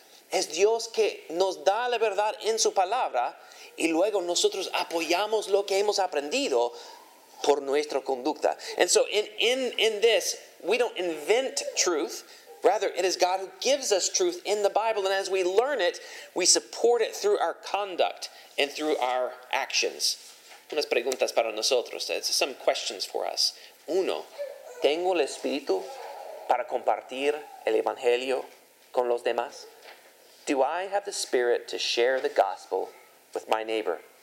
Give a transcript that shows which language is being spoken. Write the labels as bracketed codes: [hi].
[es] Es Dios que nos da la verdad en su palabra y luego nosotros apoyamos lo que hemos aprendido por nuestra conducta. [en] And so in this, we don't invent truth. Rather, it is God who gives us truth in the Bible. And as we learn it, we support it through our conduct and through our actions. [es] Unas preguntas para nosotros. [en] Some questions for us. [es] Uno, ¿tengo el Espíritu para compartir el Evangelio con los demás? [en] Do I have the Spirit to share the gospel with my neighbor?